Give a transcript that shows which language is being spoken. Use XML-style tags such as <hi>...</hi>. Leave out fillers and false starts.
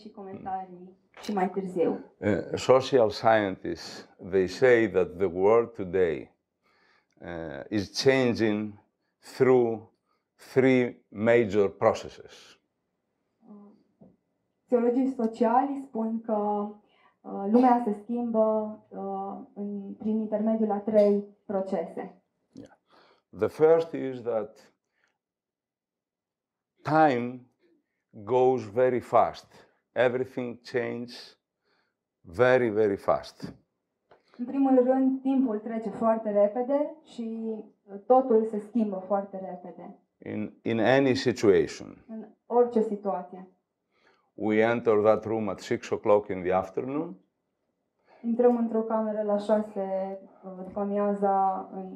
<ro>Cu idei și comentarii și mai târziu.</ro> <en>Social scientists, they say that the world today is changing through three major processes.</en> <ro>Teologii sociali spun că lumea se schimbă prin intermediul a trei procese.</ro> <en>Yeah. The first is that time goes very fast. Everything changes very, very fast.</en> <ro>În primul rând, timpul trece foarte repede și totul se schimbă foarte repede.</ro> <en>In any situation.</en> <ro>În orice situație.</ro> <en>We enter that room at 6 o'clock in the afternoon.</en> <ro>Intrăm într-o cameră la 6 după amiaza.</ro>